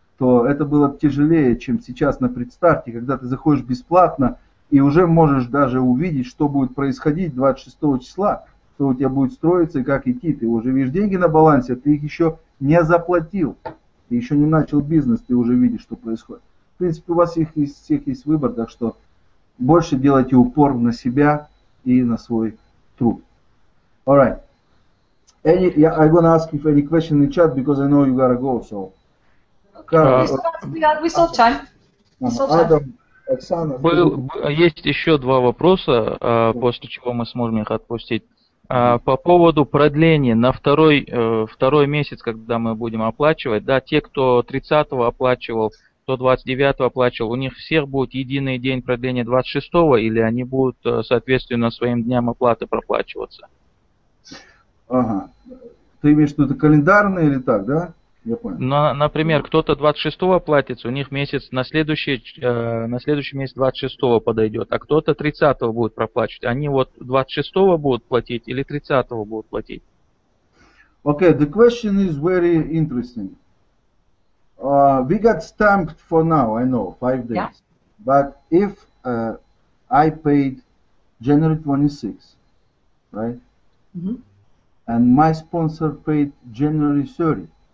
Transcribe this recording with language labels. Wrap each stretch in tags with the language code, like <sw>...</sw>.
<ru>то это было тяжелее, чем сейчас на предстарте, когда ты заходишь бесплатно и уже можешь даже увидеть, что будет происходить 26 числа, что у тебя будет строиться и как идти. Ты уже видишь деньги на балансе, ты их еще не заплатил. Ты еще не начал бизнес, ты уже видишь, что происходит. В принципе, у вас их из всех есть выбор, так что больше делайте упор на себя и на свой труд.</ru> <en>All right. I'm going to ask if any question in the chat, because I know you got to go, so...</en> <ru>Есть еще два вопроса, после чего мы сможем их отпустить. По поводу продления на второй месяц, когда мы будем оплачивать, да, те, кто 30-го оплачивал, кто 29-го оплачивал, у них всех будет единый день продления 26-го, или они будут, соответственно, своим дням оплаты проплачиваться? Ага. Ты имеешь в виду, это календарное или так, да? Я понял. Но, например, кто-то 26-го платится, у них месяц на следующий месяц 26-го подойдет, а кто-то 30-го будет проплачивать. Они вот 26-го будут платить или 30-го будут платить?</ru> <en>Okay, the question is very interesting. We got stamped for now, I know, 5 days. Yeah. But if I paid January 26, right? Mm-hmm. And my sponsor paid January 30.</en>